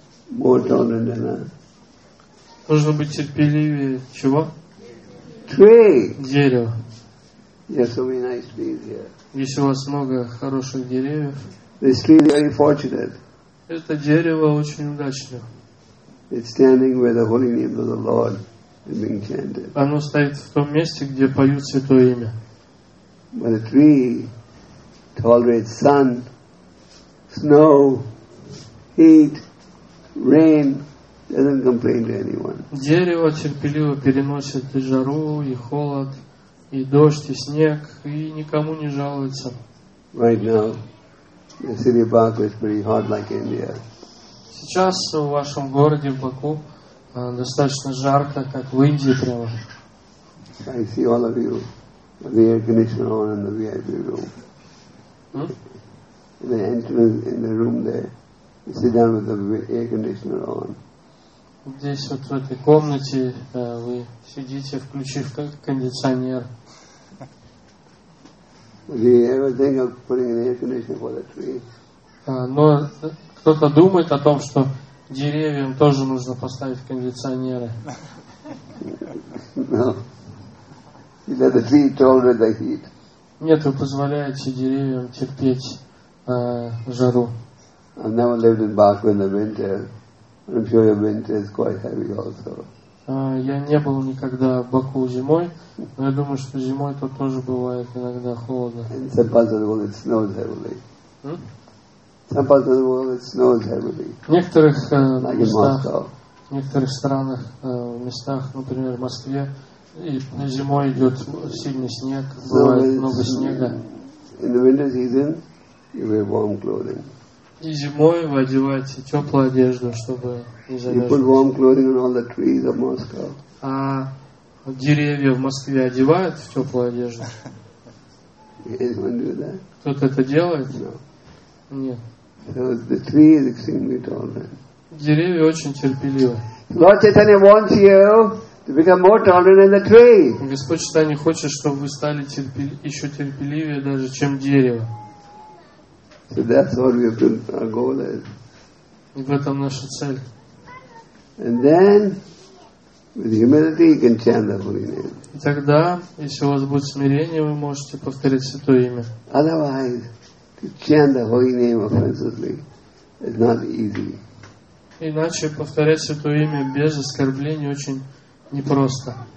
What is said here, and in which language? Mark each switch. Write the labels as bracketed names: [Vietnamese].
[English] More tolerant than that. [Russian] Нужно быть терпеливее чего? [English] Tree. [Russian] Дерево. [English] Yes, so many nice trees here. [Russian] Здесь у вас много хороших деревьев. [English] This tree is very fortunate. [Russian] Это дерево очень удачное. [English] It's standing where the holy name of the Lord is being chanted. [Russian] Оно стоит в том месте, где поют Святое Имя. [English] But the tree tolerates sun, snow, heat, rain, doesn't complain to anyone. [Russian] Дерево терпеливо переносит и жару, и холод, и дождь, и снег, и никому не жалуется. [English] Right now, the city of Baku is pretty hot like India. [Russian] Сейчас в вашем городе в Баку достаточно жарко, как в Индии прямо. [English] I see all of you with the air conditioner on in the VIP room. In the entrance in the room there, you sit down with the air conditioner on. [Russian] Здесь вот в этой комнате вы сидите, включив кондиционер. [English] Do you ever think of putting an air conditioner for the tree? [Russian] Но кто-то думает о том, что деревьям тоже нужно поставить кондиционеры. Нет, вы позволяете деревьям терпеть жару. [English] I've never lived in Baku in the winter. I'm sure your winter is quite heavy also. [Russian] Я не был никогда в Баку зимой, но я думаю, что зимой тут тоже бывает иногда холодно. [English] In some parts of the world it snows heavily. Some parts of the world it snows heavily. [Russian] В некоторых местах в некоторых странах, в местах, например, в Москве, и зимой идет сильный снег, бывает много снега. [English] In the winter season, you wear warm clothing. [Russian] И зимой вы одеваете теплую одежду, чтобы не замерзнуть. [English] You put warm clothing on all the trees of Moscow. [Russian] А деревья в Москве одевают в теплую одежду? [English] Anyone do that? [Russian] Кто-то это делает? [English] No. [Russian] Нет. [English] So the tree is extremely tolerant. [Russian] Деревья очень терпеливы. [English] Lord Chaitanya wants you to become more tolerant than the tree. [Russian] Господь Чайтанья хочет, чтобы вы стали еще терпеливее даже, чем дерево. [English] So that's what we have to, our goal is. [Russian] И в этом наша цель. [English] And then, with humility, you can chant the holy name. [Russian] И тогда, если у вас будет смирение, вы можете повторить святое имя. [English] Otherwise, to chant the holy name offensively is not easy. [Russian] Иначе повторять святое имя без оскорблений очень непросто.